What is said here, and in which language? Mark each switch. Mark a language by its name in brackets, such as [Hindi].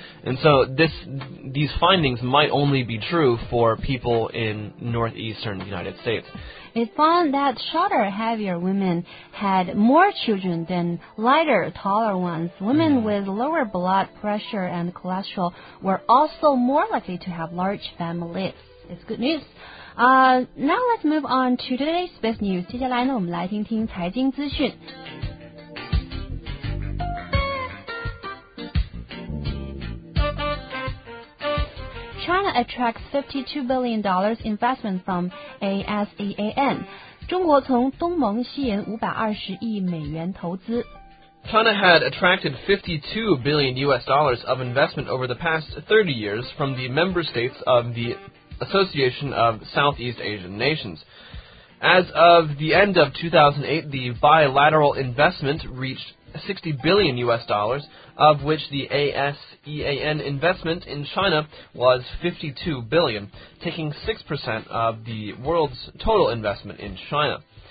[English] And so these findings might only be true for people in northeastern United States. It found that shorter, heavier women had more children than lighter, taller ones. Women with lower blood pressure and cholesterol were also more likely to have large families. It's good news. Now let's move on to today's best news. [Chinese] 接下来呢，我们来听听财经资讯。 [English] China attracts $52 billion investment from ASEAN. [Chinese] 中国从东盟吸引520亿美元投资。 [English] China had attracted $52 billion US of investment over the past 30 years from the member states of the Association of Southeast Asian Nations. As of the end of 2008, the bilateral investment reached $60 billion US, of which the ASEAN investment in China was $52 billion, taking 6% of the world's total investment in China.